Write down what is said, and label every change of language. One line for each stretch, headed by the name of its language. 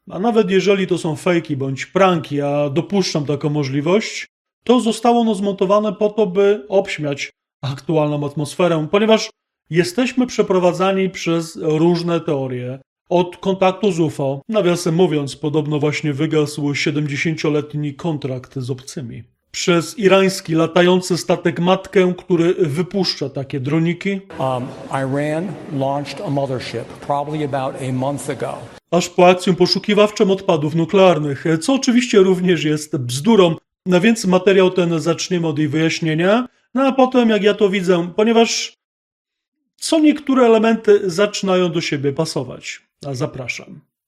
Polish: A nawet jeżeli to są fejki bądź pranki, a dopuszczam taką możliwość, to zostało ono zmontowane po to, by obśmiać aktualną atmosferę, ponieważ jesteśmy przeprowadzani przez różne teorie. Od kontaktu z UFO, nawiasem mówiąc, podobno właśnie wygasł 70-letni kontrakt z obcymi. Przez irański latający statek matkę, który wypuszcza takie droniki.
English: Iran launched a mothership probably about a month ago.
Polish: Aż po akcję poszukiwawczą odpadów nuklearnych, co oczywiście również jest bzdurą. No więc materiał ten zaczniemy od jej wyjaśnienia, no a potem jak ja to widzę, ponieważ co niektóre elementy zaczynają do siebie pasować. A zapraszam.